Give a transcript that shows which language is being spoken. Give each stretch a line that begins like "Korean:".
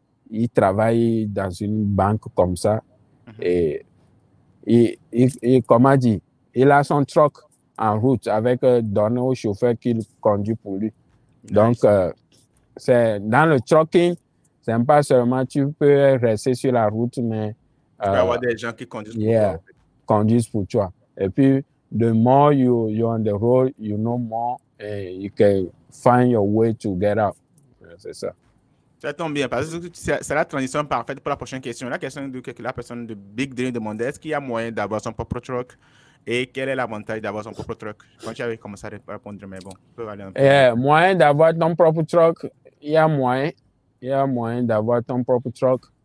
French: Il travaille dans une banque comme ça. Et comment dire? Il a son truck en route avec donné au chauffeur qu'il conduit pour lui.
English: Nice.
French: Donc, c'est dans le trucking, c'est pas seulement tu peux rester sur la route, mais... Tu peux avoir des gens qui conduisent Conduisent pour toi. Et puis,
English: the more you're on the road, you know more, and you can find your way to get out.
French: C'est ça. Ça tombe bien, parce que c'est la transition parfaite pour la prochaine question. La question de la personne de Big Dream demandait, est-ce qu'il y a moyen d'avoir son propre truck? Et quel est l'avantage d'avoir son propre truck? Quand tu avais commencé à répondre, mais bon, tu peux aller un peu. Moyen d'avoir ton propre truck, il y a moyen d'avoir ton propre truck.